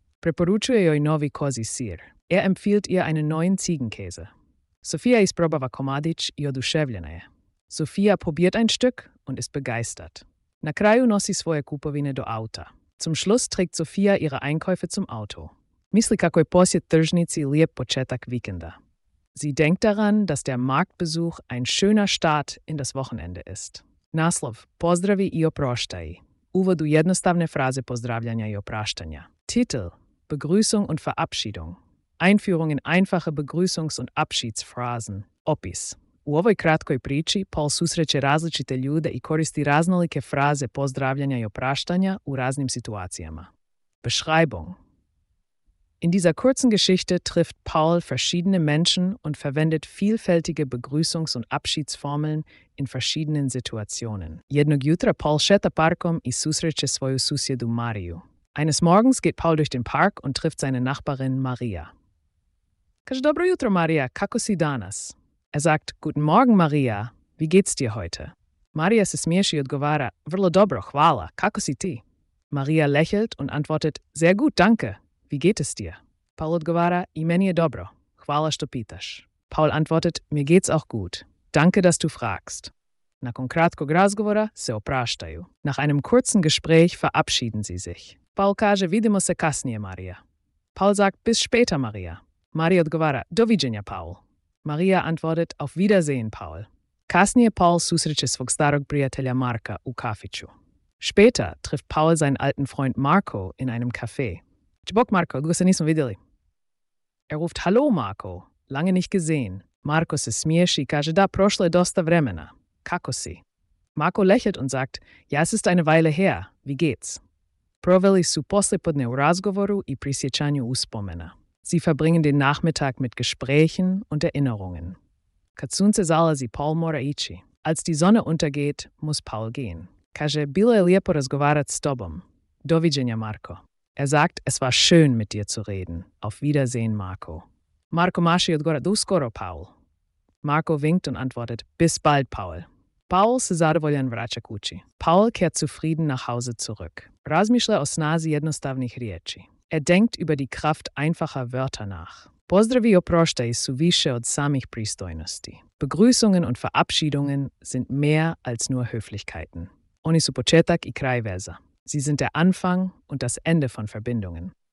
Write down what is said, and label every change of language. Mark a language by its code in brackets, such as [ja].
[hr] Preporučuje joj novi kozi sir. [de] Er empfiehlt ihr einen neuen Ziegenkäse. [hr] Sofia isprobava komadić i oduševljena je. [de] Sofia probiert ein Stück und ist begeistert. [hr] Na kraju nosi svoje kupovine do auta. [de] Zum Schluss trägt Sofia ihre Einkäufe zum Auto. [hr] Misli kako je posjet tržnici lijep početak vikenda. [de] Sie denkt daran, dass der Marktbesuch ein schöner Start in das Wochenende ist. [hr] Naslov, pozdravi i oproštaj. Uvod u jednostavne fraze pozdravljanja i opraštanja. [de] Titel, Begrüßung und Verabschiedung. Einführung in einfache Begrüßungs- und Abschiedsphrasen. [hr] Opis. U ovoj kratkoj priči, Paul susreće različite ljude i koristi raznolike fraze pozdravljanja i opraštanja u raznim situacijama. Beschreibung. [de] In dieser kurzen Geschichte trifft Paul verschiedene Menschen und verwendet vielfältige Begrüßungs- und Abschiedsformeln in verschiedenen Situationen. [hr] Jednog jutra Paul šeta parkom i susreće svoju susjedu Mariju. [de] Eines Morgens geht Paul durch den Park und trifft seine Nachbarin Maria. [hr] Kaže dobro jutro Maria, kako si danas? [de] Er sagt, guten Morgen Maria, wie geht's dir heute? [hr] Maria se smiješi i odgovara, vrlo dobro, hvala, kako si ti? [de] Maria lächelt und antwortet, sehr gut, danke. Wie geht es dir? [hr] Paul odgovara, i meni je dobro. Hvala što pitaš. [de] Paul antwortet, mir geht's auch gut. Danke, dass du fragst. [hr] Nakon kratkog razgovora se opraštaju. [de] Nach einem kurzen Gespräch verabschieden sie sich. [hr] Paul kaže, vidimo se kasnije, Maria. [de] Paul sagt, bis später, Maria. [hr] Maria odgovara, doviđenja, Paul. [de] Maria antwortet, auf Wiedersehen, Paul. [hr] Kasnije Paul susreće svog starog prijatelja Marka u kafiću. [de] Später trifft Paul seinen alten Freund Marco in einem Café. [hr] Čbok Marko, dugo se nismo vidjeli. [de] Er ruft, hallo Marco, lange nicht gesehen. [hr] Marco se smiješi i kaže, da, prošlo je dosta vremena. Kako si? [de] Marco lächelt und sagt, ja, es ist eine Weile her, wie geht's? [hr] Proveli su poslijepodne u razgovoru i prisjećanju uspomena. [de] Sie verbringen den Nachmittag mit Gesprächen und Erinnerungen. [hr] Kad sunce zalazi, Paul mora ići. [de] Als die Sonne untergeht, muss Paul gehen. [hr] Kaže, bilo je lijepo razgovarat s tobom. Doviđenja, Marco. [de] Er sagt, es war schön, mit dir zu reden. Auf Wiedersehen, Marco. [hr] Marco maši odgovara, du skoro, Paul. [de] Marco winkt und antwortet, bis bald, Paul. [hr] Paul se zadovoljan vraća kući. [de] Paul kehrt zufrieden nach Hause zurück. [hr] Razmišlja o snazi jednostavnih riječi. [de] Er denkt über die Kraft einfacher Wörter nach. [hr] Pozdravi oproštaj su više od samih pristojnosti. [de] Begrüßungen und Verabschiedungen sind mehr als nur Höflichkeiten. [hr] Oni su početak i kraj veza. [de] Sie sind der Anfang und das Ende von Verbindungen.